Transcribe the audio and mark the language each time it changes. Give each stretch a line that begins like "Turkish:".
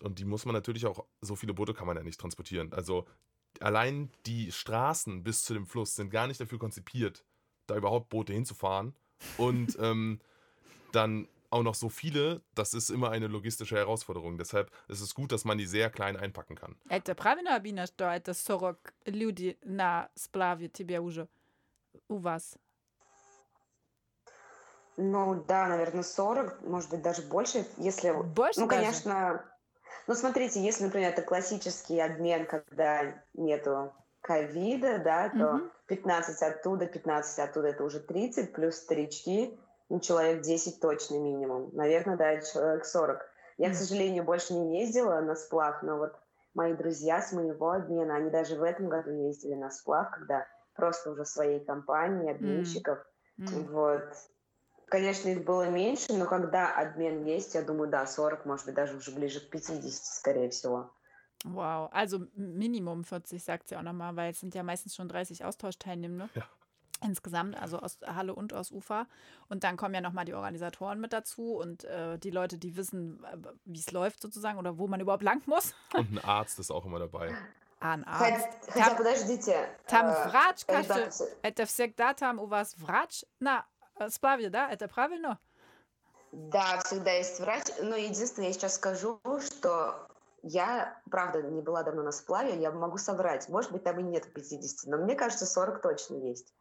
German: Und die muss man natürlich auch, so viele Boote kann man ja nicht transportieren. Also allein die Straßen bis zu dem Fluss sind gar nicht dafür konzipiert, da überhaupt Boote hinzufahren. Und dann auch noch so viele, das ist immer eine logistische Herausforderung. Deshalb ist es gut, dass man die sehr klein einpacken kann.
Russian: Это правильно объяснено, что это 40 людей на сплаве тебе уже у вас? Ну да, наверное, 40, может быть, даже больше. Если, больше ну, даже? Конечно, ну, смотрите, если, например, это классический обмен, когда нету ковида, да, то 15 оттуда, это уже 30, плюс старички, ну, человек 10 точно минимум. Наверное, да, человек 40. Я, к сожалению, больше не ездила на сплав, но вот мои друзья с моего обмена, они даже в этом году ездили на сплав, когда просто уже своей компании, обменщиков, вот... Конечно, их было меньше, но когда обмен есть, я думаю, да, 40, может быть, даже уже ближе к 50, скорее всего. Вау, wow.
German: Also
Russian: минимум
German: 40, sagt sie auch nochmal, weil es sind ja meistens schon 30 Austauschteilnehmer, ne? Ja. Insgesamt, also aus Halle und aus Ufa. Und dann kommen ja nochmal die Organisatoren mit dazu und die Leute, die wissen, wie es läuft sozusagen oder wo man überhaupt lang muss. Und ein Arzt ist auch immer dabei. Ein Arzt.
Russian: Хотя, подождите. Там врач, кажется, это всегда там у вас врач? На сплавье, да? Это правильно? Да, всегда есть врач. Но единственное, я сейчас скажу, что я, правда, не была давно на сплаве, я могу соврать. Может быть, там и нет 50, но мне кажется, 40 точно есть.